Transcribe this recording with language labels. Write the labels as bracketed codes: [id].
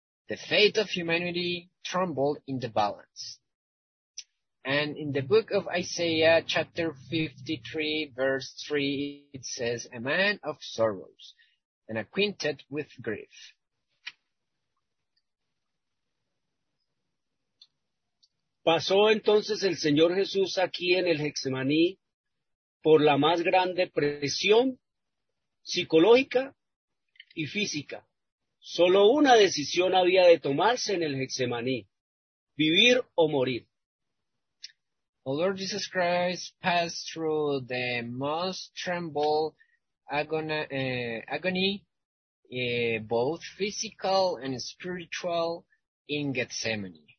[en] The fate of humanity trembled in the balance. And in the book of Isaiah, chapter 53, verse 3, it says, a man of sorrows and acquainted with grief. [es] Pasó entonces el Señor Jesús aquí en el Getsemaní por la más grande presión psicológica y física. Solo una decisión había de tomarse en el Getsemaní, vivir o morir. [en] Our Lord Jesus Christ passed through the most tremble agony, both physical and spiritual, in Gethsemane.